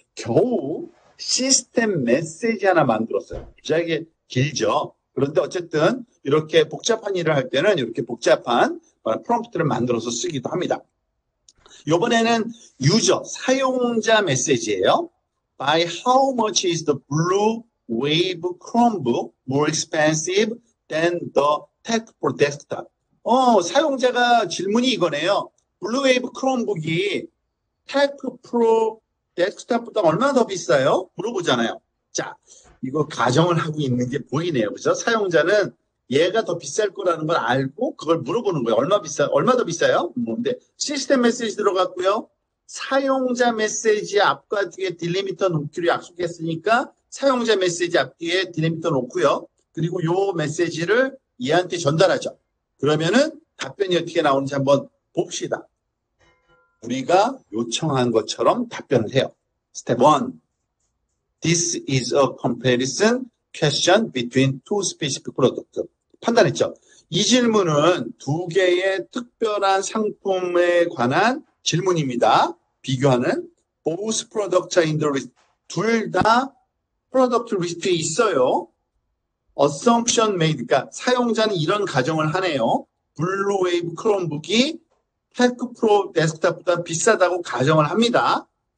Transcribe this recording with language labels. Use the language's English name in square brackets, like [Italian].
[Korean] 겨우 시스템 메시지 하나 만들었어요. 갑자기 길죠? 그런데 어쨌든 이렇게 복잡한 일을 할 때는 이렇게 복잡한 프롬프트를 만들어서 쓰기도 합니다. 이번에는 유저, 사용자 메시지예요. [English] By how much is the blue wave Chromebook more expensive than the tech for desktop? [Korean] 사용자가 질문이 이거네요. 블루웨이브 크롬북이 테크 프로 데스크탑보다 얼마나 더 비싸요? 물어보잖아요. 자, 이거 가정을 하고 있는 게 보이네요. 그죠? 사용자는 얘가 더 비쌀 거라는 걸 알고 그걸 물어보는 거예요. 얼마 더 비싸요? 뭔데? 시스템 메시지 들어갔고요. 사용자 메시지 앞과 뒤에 딜리미터 놓기로 약속했으니까 사용자 메시지 앞뒤에 딜리미터 놓고요. 그리고 요 메시지를 얘한테 전달하죠. 그러면은 답변이 어떻게 나오는지 한번 봅시다. 우리가 요청한 것처럼 답변을 해요. 스텝 1. [English] This is a comparison question between two specific products. [Korean] 판단했죠? 이 질문은 두 개의 특별한 상품에 관한 질문입니다. 비교하는 [English] both products are in the list. [Korean] 둘다 product list에 있어요. [English] Assumption made. [Korean] 그러니까 사용자는 이런 가정을 하네요. 블루웨이브 크롬북이 테크 프로 데스크탑보다 비싸다고 가정을 합니다.